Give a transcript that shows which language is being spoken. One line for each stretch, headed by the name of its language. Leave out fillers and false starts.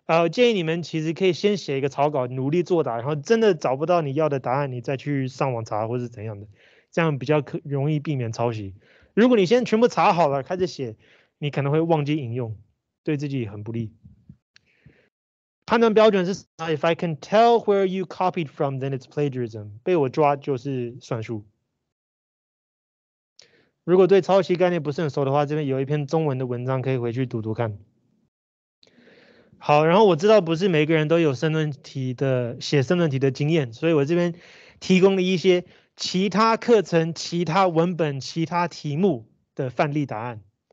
Chinese: 建议你们其实可以先写一个草稿，努力作答，然后真的找不到你要的答案，你再去上网查或是怎样的，这样比较容易避免抄袭。如果你先全部查好了开始写，你可能会忘记引用，对自己很不利。判断标准是
English: If I can tell where you copied from, then it's plagiarism.
Chinese: 被我抓就是算数。如果对抄袭概念不是很熟的话，这边有一篇中文的文章可以回去读读看。好，然后我知道不是每个人都有申论题的写申论题的经验，所以我这边提供了一些其他课程、其他文本、其他题目的范例答案。